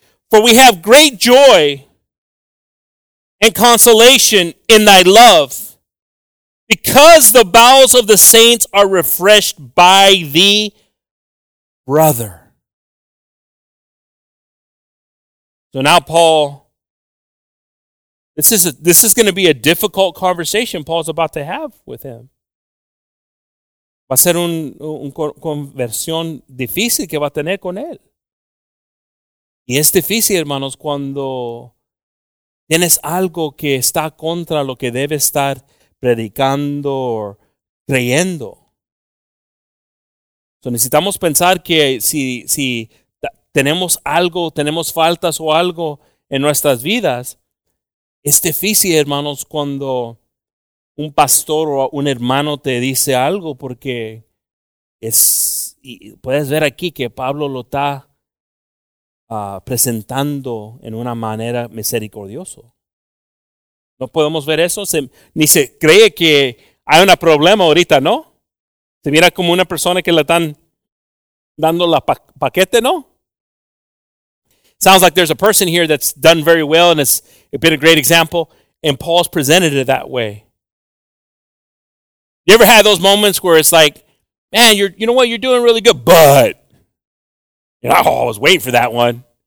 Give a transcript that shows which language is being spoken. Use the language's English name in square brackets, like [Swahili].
[English] For we have great joy and consolation in thy love, because the bowels of the saints are refreshed by thee, brother. So now Paul, this is going to be a difficult conversation Paul's about to have with him. [Spanish] Va a ser una conversión difícil que va a tener con él. Y es difícil, hermanos, cuando tienes algo que está contra lo que debe estar predicando o creyendo. So necesitamos pensar que si tenemos algo, tenemos faltas o algo en nuestras vidas, es difícil, hermanos, cuando un pastor o un hermano te dice algo, porque es, y puedes ver aquí que Pablo lo está presentando en una manera misericordiosa. No podemos ver eso, ni se cree que hay un problema ahorita, ¿no? Se mira como una persona que le están dando la paquete, ¿no? [English] Sounds like there's a person here that's done very well and has been a great example, and Paul's presented it that way. You ever had those moments where it's like, man, you know what, you're doing really good, but, you know, oh, I was waiting for that one.